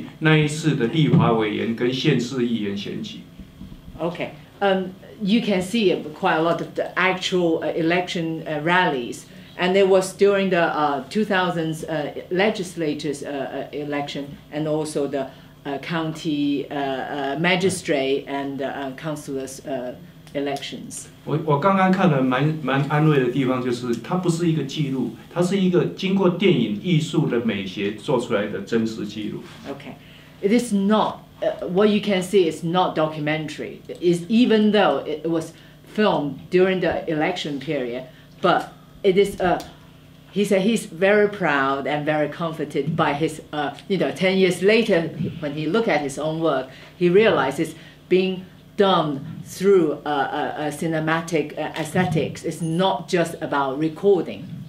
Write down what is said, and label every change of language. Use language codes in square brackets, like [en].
[zh] 2001年的时候，其实我在拍摄的时候都是根据那一次的立法委员跟县市议员选举。 [en] Okay, you can see quite a lot of the actual election rallies, and it was during the 2000s legislators election, and also the county magistrate and councillors elections. [zh] 我刚刚看了蛮安慰的地方，就是它不是一个记录，它是一个经过电影艺术的美学做出来的真实记录. [en] Okay, it is not what you can see. It's not documentary. It's even though it was filmed during the election period, but it is a. He said he's very proud and very comforted by his, you know, 10 years later, when he looked at his own work, he realizes being done through a cinematic aesthetics is not just about recording.